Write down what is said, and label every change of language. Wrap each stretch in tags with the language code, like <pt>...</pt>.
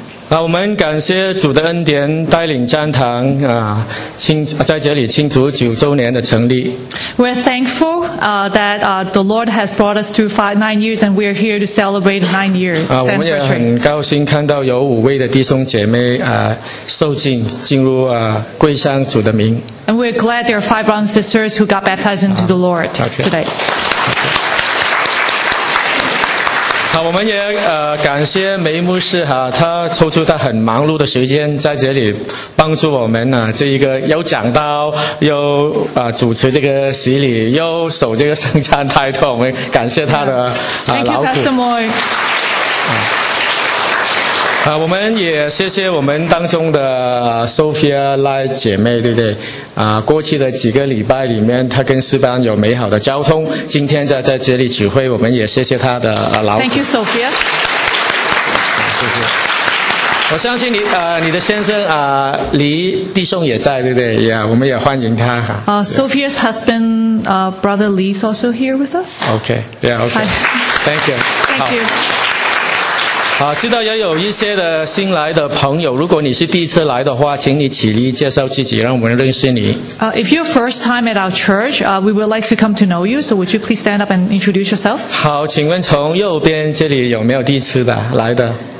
<zh>啊，我们感谢主的恩典，带领詹堂啊，庆在这里庆祝九周年的成立。</zh> <en>We're thankful that the Lord has brought us to nine years, and we're here to celebrate 9 years.</en> <zh>啊，我们也很高兴看到有五位的弟兄姐妹啊受浸进入啊归向主的名。</zh> <en>And we're glad there are 5 brothers and sisters who got baptized into the Lord today. Okay.</en> <zh>好，我们也感谢梅牧师哈，他抽出他很忙碌的时间在这里帮助我们呢。这一个又讲到又主持这个洗礼，又守这个圣餐台头，我们感谢他的劳苦。</zh> <en>Thank you, Pastor Moy.</en> <zh>啊，我们也谢谢我们当中的 Sophia Lai 姐妹，对不对？啊，过去的几个礼拜里面，他跟四班有美好的交通。今天在这里指挥，我们也谢谢他的劳苦。</zh> <en>Thank you, Sophia.</en> <zh>谢谢。我相信你的先生李弟兄也在，对不对？ Yeah, 我们也欢迎他。</zh> <en>Sophia's husband, brother Lee, is also here with us. Okay, yeah, okay.、Hi. Thank you. Thank you.</en> <zh>好，知道也有一些的新来的朋友，如果你是第一次来的话，请你起立介绍自己，让我们认识你。</zh> <en>If you're first time at our church, we would like to come to know you, so would you please stand up and introduce yourself?</en> <zh>好，请问从右边这里有没有第一次的来的？</zh>